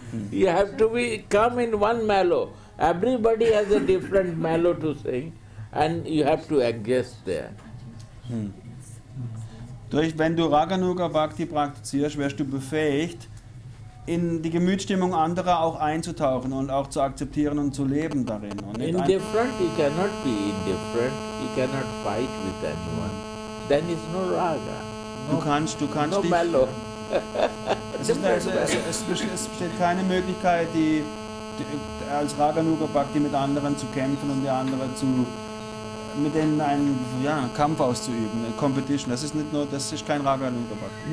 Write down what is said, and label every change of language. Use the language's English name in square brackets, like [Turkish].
[English] You have to be come in one mellow. Everybody has a different mellow to sing, and you have to adjust there. [German] Durch, wenn du Raganuga Bhakti praktizierst, wirst du befähigt, in die Gemütsstimmung anderer auch einzutauchen und auch zu akzeptieren und zu leben darin. Und [English] indifferent, you cannot be indifferent, you cannot fight with anyone. Then it's no Raga. [German] Du kannst [English] no mellow. [German] Es besteht keine Möglichkeit, die als Raganuga Bhakti mit anderen zu kämpfen und die anderen zu mit denen einen Kampf auszuüben, eine Competition. Das ist kein Raganuga Bhakti.